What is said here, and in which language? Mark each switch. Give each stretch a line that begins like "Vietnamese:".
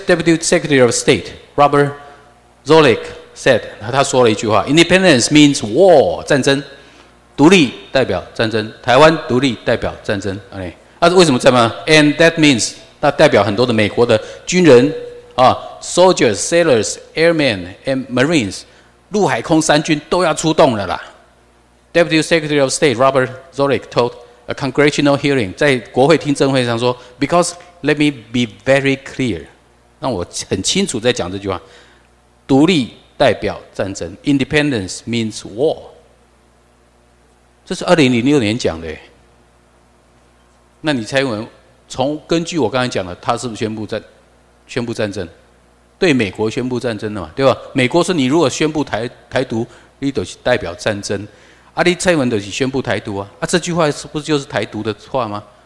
English: Deputy Secretary of State Robert Zoellick said，
Chinese: 他说了一句话 ：
English: Independence means war，
Chinese: 战争，独立代表战争，台湾独立代表战争，哎。啊，为什么在吗 ？
English: And that means
Chinese: 那代表很多的美国的军人啊 ，
English: soldiers, sailors, airmen and marines，
Chinese: 陆海空三军都要出动了啦。
English: Deputy Secretary of State Robert Zoellick told a congressional hearing，
Chinese: 在国会听证会上说
English: ，Because let me be very clear，
Chinese: 让我很清楚在讲这句话，独立代表战争
English: ，Independence means war。
Chinese: 这是2006年讲的。那你蔡英文从根据我刚才讲的，他是不是宣布战争？对美国宣布战争的嘛，对吧？美国说你如果宣布台独，你就是代表战争，啊，你蔡英文就是宣布台独啊，啊，这句话是不是就是台独的话吗？